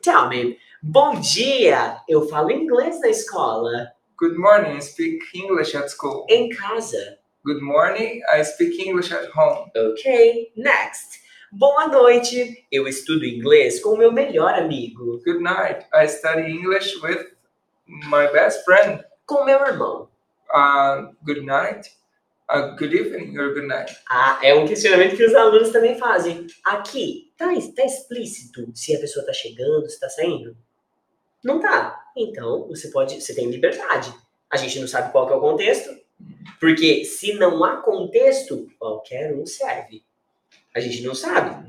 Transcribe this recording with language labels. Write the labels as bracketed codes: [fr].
[en] Tell me, [pt] bom dia, eu falo inglês na escola. [en] Good morning, I speak English at school. [pt] Em casa. [en] Good morning, I speak English at home. Ok, next. [pt] Boa noite, eu estudo inglês com meu melhor amigo. [en] Good night, I study English with my best friend. [pt] Com meu irmão. [en] Good night. A good evening or good night? [pt] Ah, é um questionamento que os alunos também fazem. Aqui, tá explícito se a pessoa tá chegando, se tá saindo? Não tá. Então, você tem liberdade. A gente não sabe qual que é o contexto. Porque se não há contexto, qualquer um serve. A gente não sabe.